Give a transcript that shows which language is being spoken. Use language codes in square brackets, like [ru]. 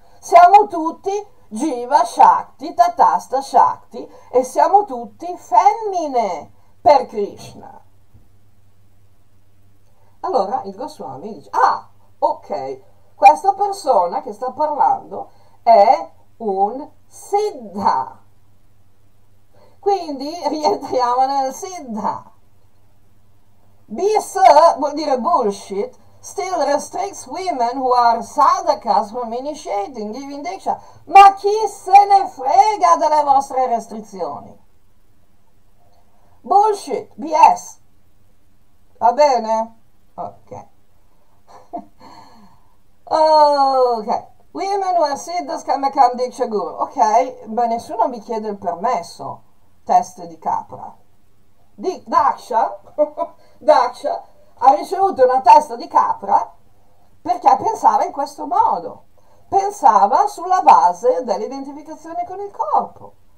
[it] Siamo tutti Jiva Shakti, Tatasta Shakti e siamo tutti femmine per Krishna. Allora il Goswami dice: ah, ok, questa persona che sta parlando è un Siddha. Quindi rientriamo nel Siddha. [en] BS [it] vuol dire [en] bullshit, still restricts women who are sadhakas from initiating, giving diksha. [it] Ma chi se ne frega delle vostre restrizioni? [en] Bullshit, BS. [it] Va bene? Ok. Ok. [en] Women who are siddhas can become diksha guru. [it] Ok, ma nessuno mi chiede il permesso, teste di capra. Di Daksha, Daksha ha ricevuto una testa di capra perché pensava in questo modo. Pensava sulla base dell'identificazione con il corpo.